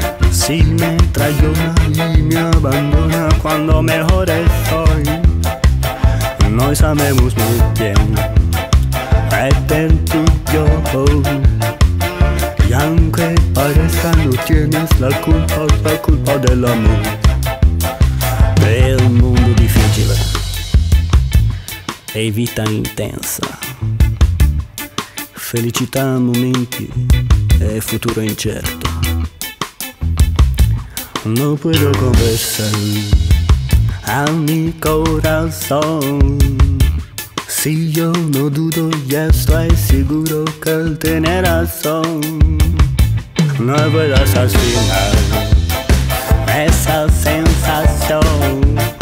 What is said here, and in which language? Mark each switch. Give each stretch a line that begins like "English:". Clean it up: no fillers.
Spanish: Si me traiciona y me abandona cuando mejor estoy. No sabemos muy bien, eten tú y yo. Y aunque parezca no tienes la culpa del amor.
Italian: È un mondo difficile, è vita intensa, felicità a momenti e futuro incerto.
Spanish: No puedo conversar a mi corazón, si yo no dudo ya estoy seguro que él tiene razón. No puedas asesinar esa sensación.